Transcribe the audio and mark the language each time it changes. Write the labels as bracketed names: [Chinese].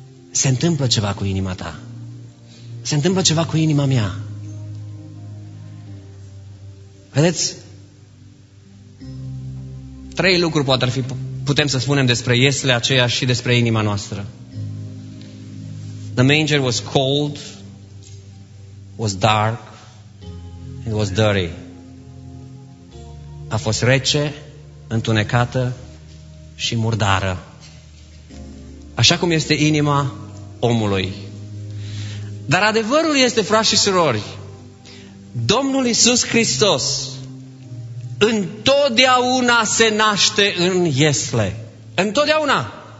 [Romanian] Se întâmplă ceva cu inima ta. Se întâmplă ceva cu inima mea. Vedeți? Trei lucruri poate ar fi, putem să spunem despre ieslea aceea și despre inima noastră. [English] The manger was cold, was dark, it was dirty. [Romanian] a fost rece, întunecată și murdară. Așa cum este inima omului. Dar adevărul este, frați și surori, Domnul Iisus Hristos întotdeauna se naște în iesle. Întotdeauna.